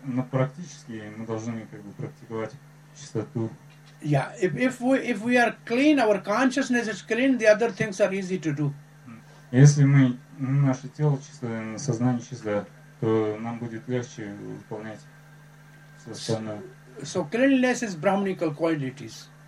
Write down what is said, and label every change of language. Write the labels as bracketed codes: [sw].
[ru] Практически мы должны как бы практиковать чистоту. [en] Yeah, if we are clean, our consciousness is clean, the other things are easy to do. [ru] Если мы, наше тело чистое, сознание чистое, то нам будет легче выполнять все остальное. [en] So cleanliness is brahmanical qualities.